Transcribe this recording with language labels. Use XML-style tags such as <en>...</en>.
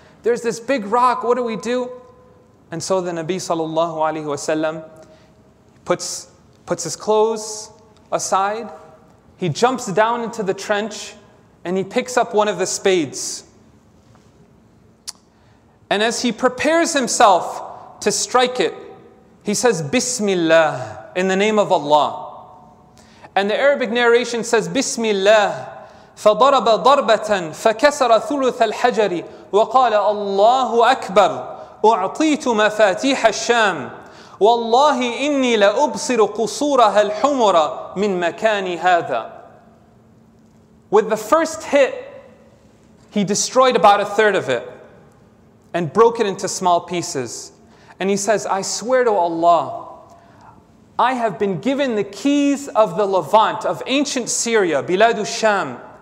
<en>There's this big rock, what do we do? And so the Nabi sallallahu alayhi wa sallam puts his clothes aside. He jumps down into the trench and he picks up one of the spades. And as he prepares himself to strike it, he says, Bismillah, in the name of Allah. And the Arabic narration says,</en> <ar>Bismillah, فَضَرَبَ ضَرْبَةً فَكَسَرَ ثُلُثَ الْحَجَرِ وَقَالَ اللَّهُ أَكْبَرُ أُعْطِيتُ مَفَاتِيحَ الشَّامِ وَاللَّهِ إِنِّي لَأُبْصِرُ قُصُورَهَا الْحُمُرَ مِنْ مَكَانِ هَذَا.</ar> <en>With the first hit, he destroyed about a third of it and broke it into small pieces. And he says, I swear to Allah, I have been given the keys of the Levant, of ancient Syria, Bilad al-Sham.</en>